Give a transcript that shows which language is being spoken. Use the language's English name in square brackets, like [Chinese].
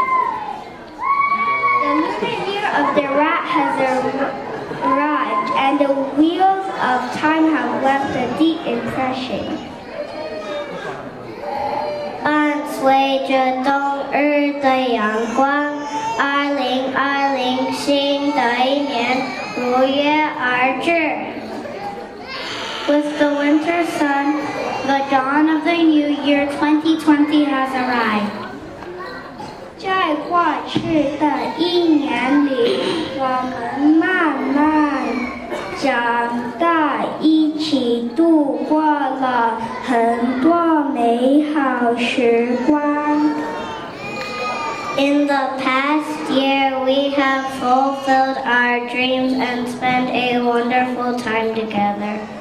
[English] The new year of the rat has arrived, and the wheels of time have left a deep impression. [Chinese] 伴随着冬日的阳光，2020新的一年如约而至。 [English] With the winter sun, the dawn of the new year 2020 has arrived. [Chinese] 在过去的一年里，我们慢慢长大，一起度过了很多美好时光。 [English] In the past year, we have fulfilled our dreams and spent a wonderful time together.